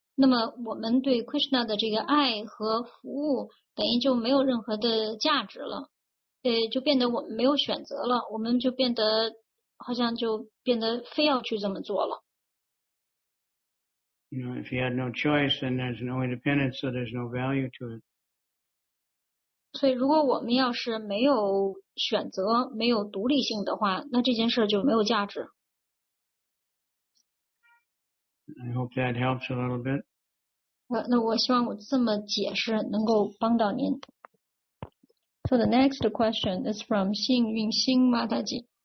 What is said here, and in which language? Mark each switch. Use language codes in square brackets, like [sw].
[zh] 那么我们对 Krishna 的这个爱和服务，等于就没有任何的价值了，就变得我们没有选择了，我们就变得好像就变得非要去这么做了。 [en] You know, if you had no choice, then there's no independence, so there's no value to it. [zh] 所以如果我们要是没有选择，没有独立性的话，那这件事就没有价值。 [en] I hope that helps a little bit. [zh] 那我希望我这么解释能够帮到您。 [en] So the next question is from 幸运星 Mataji.